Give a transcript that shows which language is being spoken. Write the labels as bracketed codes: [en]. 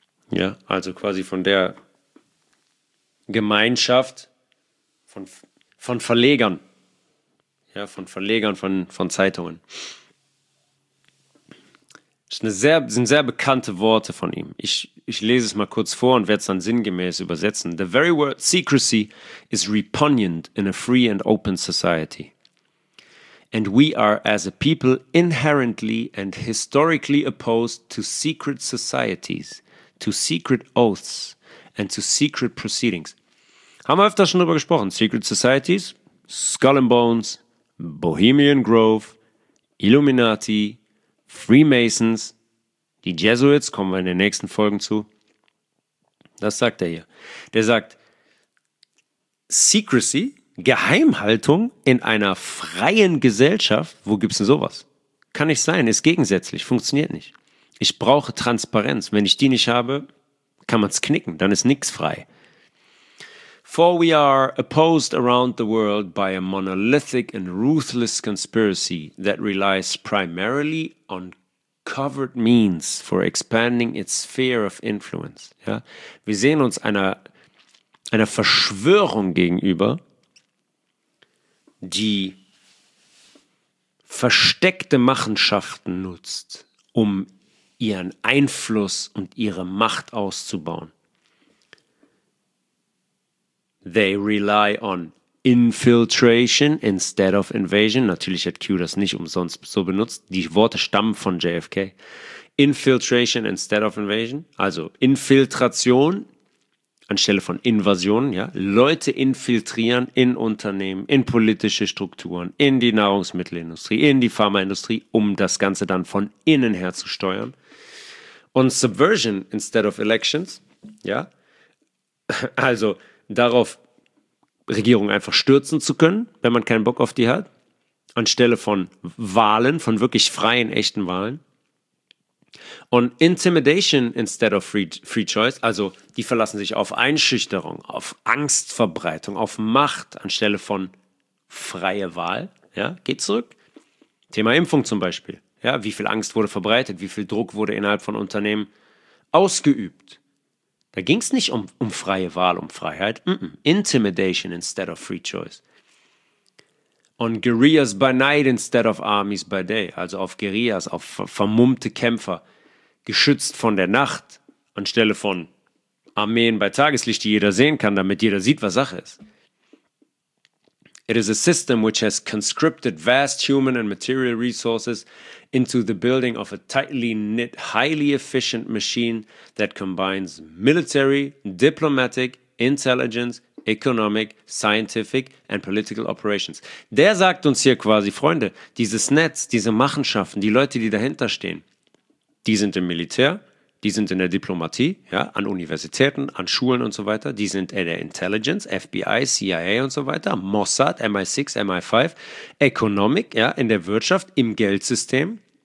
[de] Ja, also quasi von der Gemeinschaft von Verlegern. Ja, von Verlegern von Zeitungen. Das sind sehr bekannte Worte von ihm. Ich lese es mal kurz vor und werde es dann sinngemäß übersetzen. [en] The very word secrecy is repugnant in a free and open society. And we are as a people inherently and historically opposed to secret societies, to secret oaths and to secret proceedings. [de] Haben wir öfter schon drüber gesprochen. Secret societies, Skull and Bones, Bohemian Grove, Illuminati, Freemasons, die Jesuits, kommen wir in den nächsten Folgen zu. Das sagt er hier. Der sagt, Secrecy, Geheimhaltung in einer freien Gesellschaft, wo gibt's denn sowas? Kann nicht sein, ist gegensätzlich, funktioniert nicht. Ich brauche Transparenz. Wenn ich die nicht habe, kann man's knicken, dann ist nichts frei. [en] For we are opposed around the world by a monolithic and ruthless conspiracy that relies primarily on covert means for expanding its sphere of influence. [de] Ja? Wir sehen uns einer Verschwörung gegenüber, die versteckte Machenschaften nutzt, um ihren Einfluss und ihre Macht auszubauen. [en] They rely on infiltration instead of invasion. [de] Natürlich hat Q das nicht umsonst so benutzt. Die Worte stammen von JFK. [en] Infiltration instead of invasion. [de] Also Infiltration anstelle von Invasion. Ja? Leute infiltrieren in Unternehmen, in politische Strukturen, in die Nahrungsmittelindustrie, in die Pharmaindustrie, um das Ganze dann von innen her zu steuern. Und [en] subversion instead of elections. [de] Ja? Also darauf, Regierung einfach stürzen zu können, wenn man keinen Bock auf die hat, anstelle von Wahlen, von wirklich freien, echten Wahlen. Und [en] Intimidation instead of free choice, [de] also die verlassen sich auf Einschüchterung, auf Angstverbreitung, auf Macht, anstelle von freie Wahl. Ja, geht zurück. Thema Impfung zum Beispiel. Ja, wie viel Angst wurde verbreitet, wie viel Druck wurde innerhalb von Unternehmen ausgeübt. Da ging es nicht um freie Wahl, um Freiheit. [en] Mm-mm. Intimidation instead of free choice. On guerrillas by night instead of armies by day. [de] Also auf Guerillas, auf vermummte Kämpfer, geschützt von der Nacht, anstelle von Armeen bei Tageslicht, die jeder sehen kann, damit jeder sieht, was Sache ist. [en] It is a system which has conscripted vast human and material resources into the building of a tightly knit, highly efficient machine that combines military, diplomatic, intelligence, economic, scientific and political operations. [de] Der sagt uns hier quasi, Freunde, dieses Netz, diese Machenschaften, die Leute, die dahinter stehen, die sind im Militär, die sind in der Diplomatie, ja, an Universitäten, an Schulen und so weiter. Die sind in der Intelligence, FBI, CIA und so weiter. Mossad, MI6, MI5. Economic, ja, in der Wirtschaft, im Geldsystem.